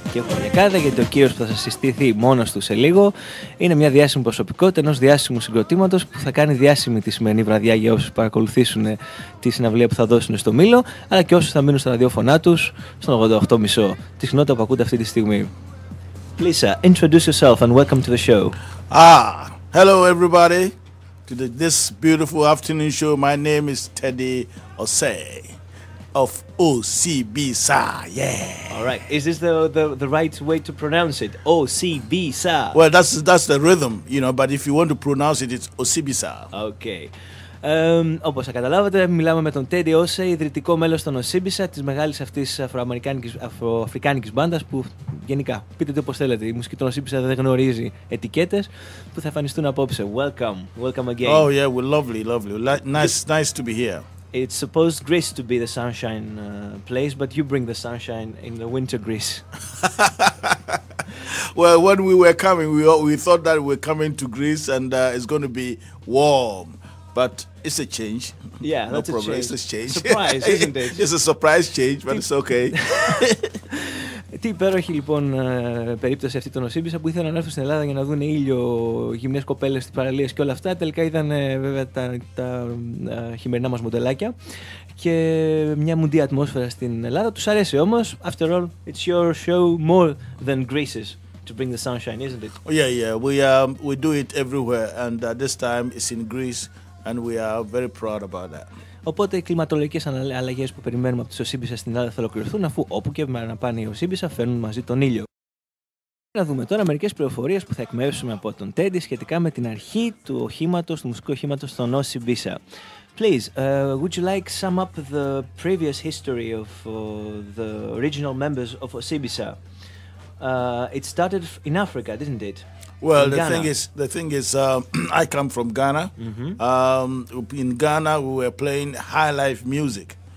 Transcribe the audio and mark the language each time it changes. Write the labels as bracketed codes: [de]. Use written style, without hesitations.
[el] Και έχουμε λιακάδα γιατί ο κύριος που θα σας συστήθει μόνος του σε λίγο είναι μια διάσημη προσωπικότητα ενός διάσημου συγκροτήματος που θα κάνει διάσημη τη σημερινή βραδιά για όσους παρακολουθήσουν τη συναυλία που θα δώσουν στο Μήλο, αλλά και όσους θα μείνουν στα ραδιόφωνά τους στον 88,5. Τη συχνότητα που ακούτε αυτή τη στιγμή. [en] Please, introduce yourself and welcome to the show. Ah, hello everybody. To this beautiful afternoon show, my name is Teddy Osei of Osibisa. Yeah. All right. Is this the right way to pronounce it? Osibisa. Well, that's the rhythm, you know. But if you want to pronounce it, it's Osibisa. Okay. [el] Όπως θα καταλάβατε, μιλάμε με τον Teddy Osei, ιδρυτικό μέλος των Osibisa, της μεγάλης αυτής αφροαφρικάνικης μπάντας που γενικά, πείτε το όπως θέλετε, η μουσική των Osibisa δεν γνωρίζει ετικέτες, που θα εμφανιστούν απόψε. [en] Welcome, welcome again. Oh yeah, well, lovely, lovely. Nice to be here. It's supposed Greece to be the sunshine place, but you bring the sunshine in the winter Greece. Well, when we were coming, we thought that we're coming to Greece and it's going to be warm. But it's a change. Yeah, no, that's problem. A change. It's a change. Surprise, isn't it? It's a surprise change, but it's okay. [el] Τι υπέροχη λοιπόν περίπτωση αυτή των Osibisa που ήθελαν να έρθουν στην Ελλάδα για να δουν ήλιο, γυμνές κοπέλες στις παραλίες και όλα αυτά. Τελικά ήταν βέβαια τα χειμερινά μας μοντελάκια και μια μουντή ατμόσφαιρα στην Ελλάδα. Τους αρέσει όμως. [en] After all, it's your show more than Greece's. To bring the sunshine, isn't it? Yeah, yeah. We do it everywhere, and this time it's in Greece, and we are very proud about that. [el] Οπότε οι κλιματολογικές αλλαγές που περιμένουμε από τις Osibisa στην Ελλάδα θα ολοκληρωθούν, αφού όπου και μέρα να πάνε οι Osibisa φέρνουν μαζί τον ήλιο. Να δούμε τώρα μερικές πληροφορίες που θα εκμεύσουμε από τον Teddy σχετικά με την αρχή του οχήματος, του μουσικού οχήματος των Osibisa. [en] Please, would you like to sum up the previous history of the original members of Osibisa? It started in Africa, didn't it? Well, the thing is, I come from Ghana. Mm-hmm. In Ghana, we were playing high life music.